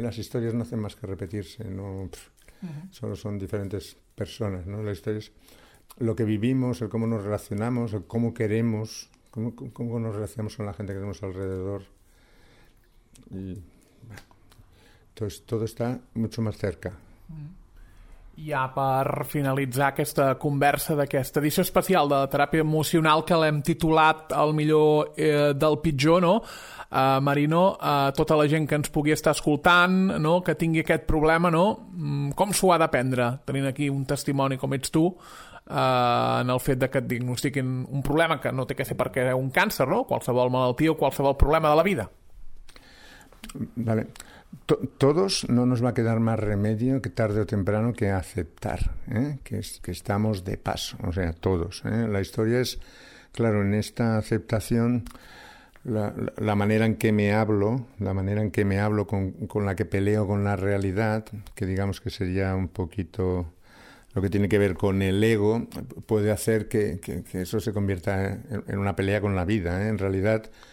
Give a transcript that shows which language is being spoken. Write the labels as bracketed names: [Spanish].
[Spanish] Las historias no hacen más que repetirse, no, solo son diferentes personas, ¿no? Las historias, lo que vivimos, el cómo nos relacionamos, el cómo queremos, cómo nos relacionamos con la gente que tenemos alrededor. Y, bueno, entonces, todo está mucho más cerca. [Catalan] Ja per finalitzar aquesta conversa d'aquesta edició especial de teràpia emocional que l'hem titulat El millor del pitjor, no? Marino, tota la gent que ens pugui estar escoltant, no, que tingui aquest problema, no, com s'ho ha d'aprendre, tenint aquí un testimoni com ets tu, en el fet de que et diagnostiquin un problema que no té que ser perquè és un càncer, no? Qualsevol malaltia o qualsevol problema de la vida. [Spanish] Vale. Todos no nos va a quedar más remedio que tarde o temprano que aceptar, ¿eh? que estamos de paso, o sea, todos, ¿eh? La historia es, claro, en esta aceptación, la manera en que me hablo con la que peleo con la realidad, que digamos que sería un poquito lo que tiene que ver con el ego, puede hacer que eso se convierta en una pelea con la vida, ¿eh? En realidad...